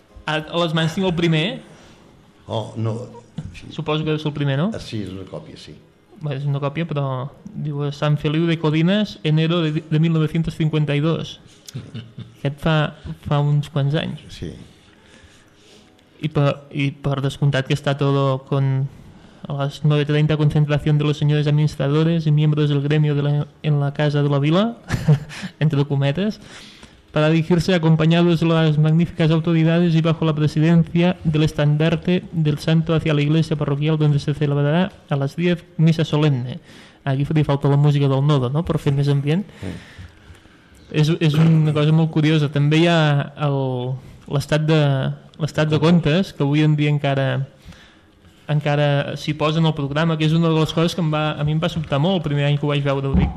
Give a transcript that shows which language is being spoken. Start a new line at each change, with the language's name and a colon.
Catalan: A les mans tinc el primer. Oh, no. Sí. Suposo que és el primer, no? Sí, és una còpia, sí. Bé, és una còpia, però diu Sant Feliu de Codines,
Spanish: enero
Catalan: de 1952. Sí. Aquest fa uns quants anys. Sí. I per descomptat que està tot
Spanish: con les 9:30
Catalan: concentració
Spanish: de los senyors administradores i membres del gremio de en la casa de la vila, entre cometes, para dirigirse acompañados de las magníficas autoridades y bajo la presidencia del estandarte del santo hacia la iglesia parroquial donde se celebrará a las 10 misa solemne.
Catalan: Aquí li falta la música del nodo, no?, per fer més ambient. És una cosa molt curiosa. També hi ha l'estat de comptes, que avui en dia encara s'hi posa en el programa, que és una de les coses que a mi em va sobtar molt el primer any que ho vaig veure.